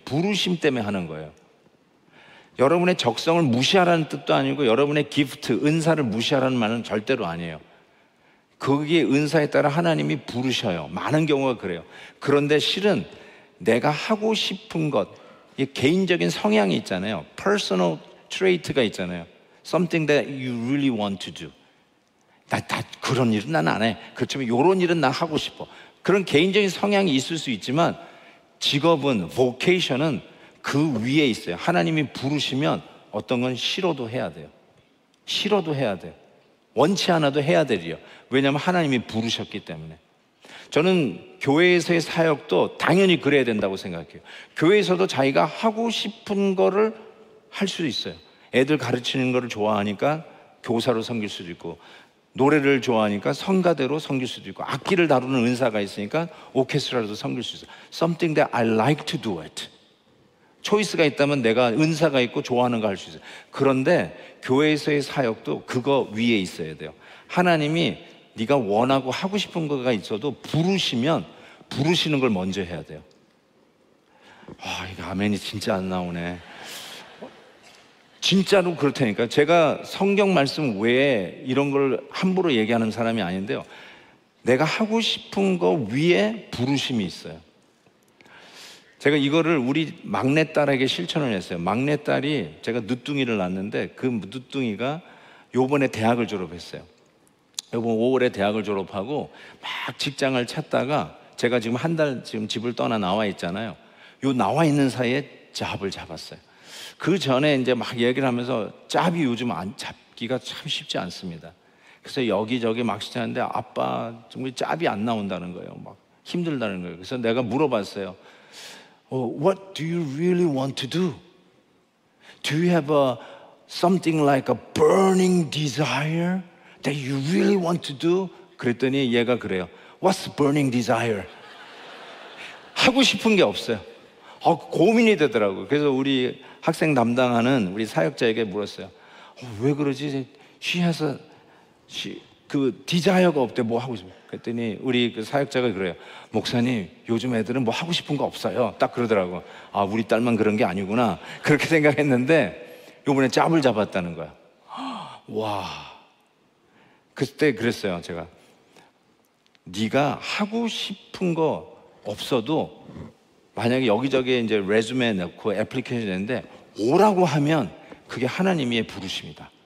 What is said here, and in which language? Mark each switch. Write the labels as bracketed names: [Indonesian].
[Korean] 부르심 때문에 하는 거예요. 여러분의 적성을 무시하라는 뜻도 아니고 여러분의 기프트, 은사를 무시하라는 말은 절대로 아니에요. 거기에 은사에 따라 하나님이 부르셔요. 많은 경우가 그래요. 그런데 실은 내가 하고 싶은 것, 이 개인적인 성향이 있잖아요. [English] personal trait [Korean] 가 있잖아요. [English] something that you really want to do. [Korean] 나 그런 일은 난 안 해. 그렇지만 이런 일은 난 하고 싶어. 그런 개인적인 성향이 있을 수 있지만 직업은, vocation은 그 위에 있어요. 하나님이 부르시면 어떤 건 싫어도 해야 돼요. 싫어도 해야 돼요. 원치 않아도 해야 되리요. 왜냐하면 하나님이 부르셨기 때문에. 저는 교회에서의 사역도 당연히 그래야 된다고 생각해요. 교회에서도 자기가 하고 싶은 거를 할 수도 있어요. 애들 가르치는 거를 좋아하니까 교사로 섬길 수도 있고 노래를 좋아하니까 성가대로 섬길 수도 있고 악기를 다루는 은사가 있으니까 오케스트라로도 섬길 수 있어요. [English] Something that I like to do it. [Korean] 초이스가 있다면 내가 은사가 있고 좋아하는 거 할 수 있어요. 그런데 교회에서의 사역도 그거 위에 있어야 돼요. 하나님이 네가 원하고 하고 싶은 거가 있어도 부르시면 부르시는 걸 먼저 해야 돼요. 이거 아멘이 진짜 안 나오네. 진짜로 그럴 테니까 제가 성경 말씀 외에 이런 걸 함부로 얘기하는 사람이 아닌데요. 내가 하고 싶은 거 위에 부르심이 있어요. 제가 이거를 우리 막내딸에게 실천을 했어요. 막내딸이 제가 늦둥이를 낳았는데 그 늦둥이가 요번에 대학을 졸업했어요. 요번 5월에 대학을 졸업하고 막 직장을 찾다가 제가 지금 한 달 지금 집을 떠나 나와 있잖아요. 요 나와 있는 사이에 잡을 잡았어요. 그 전에 이제 막 얘기를 하면서 잡이 요즘 안 잡기가 참 쉽지 않습니다. 그래서 여기저기 막 시작하는데 아빠 정말 잡이 안 나온다는 거예요. 막 힘들다는 거예요. 그래서 내가 물어봤어요. [English] What do you really want to do? Do you have a something like a burning desire that you really want to do? [Korean] 그랬더니 얘가 그래요. [English] What's burning desire? [Korean] 하고 싶은 게 없어요. 고민이 되더라고요. 그래서 우리 학생 담당하는 우리 사역자에게 물었어요. 왜 그러지? [English] She has a [Korean] 그 [English] desire가 [Korean] 없대. 뭐 하고 싶어? 그랬더니 우리 그 사역자가 그래요. 목사님, 요즘 애들은 뭐 하고 싶은 거 없어요. 딱 그러더라고. 아, 우리 딸만 그런 게 아니구나. 그렇게 생각했는데 요번에 짭을 잡았다는 거야. 와. 그때 그랬어요, 제가. 네가 하고 싶은 거 없어도 만약에 여기저기 이제 레즈메 넣고 애플리케이션 했는데 오라고 하면 그게 하나님의 부르심이다.